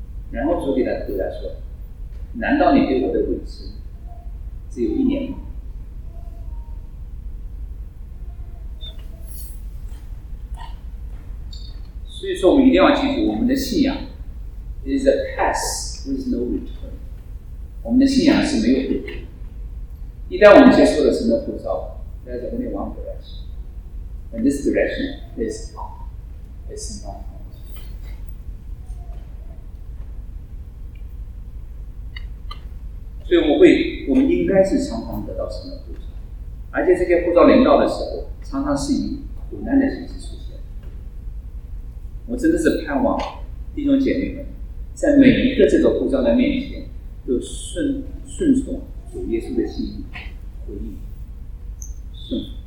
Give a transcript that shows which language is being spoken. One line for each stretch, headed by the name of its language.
Chinese: 然后主给他回答说：“难道你对我的委屈只有一年吗？” 所以说，我们一定要记住，我们的信仰
English: is a pass with no return。
Chinese: 我们的信仰是没有回头。一旦我们接受了神的呼召，那是我们往回来去。
English: In this direction, this path is not wrong.
Chinese: 所以我们应该是常常得到神的呼召，而且这些呼召临到的时候，常常是以苦难的形式出现。我真的是盼望弟兄姐妹们，在每一个这个呼召的面前，都顺从主耶稣的心意，回应顺。